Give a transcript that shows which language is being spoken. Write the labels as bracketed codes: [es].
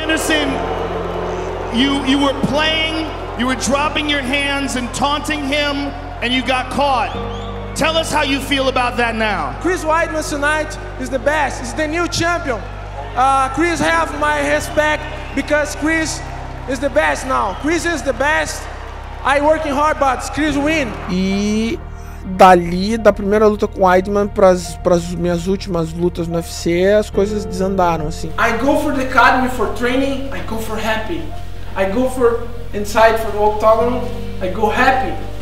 [en] Anderson, you were playing, you were dropping your hands and taunting him, and you got caught. Tell us how you feel about that now. Chris Weidman tonight is the best. He's the new champion. Chris have my respect because Chris is the best now. Chris is the best. I working hard, but Chris win. [pt] Dali, da primeira luta com Weidman para as minhas últimas lutas no UFC, as coisas desandaram assim. [en] I go for the academy for training, I go for happy. I go for inside for the octagon, I go happy.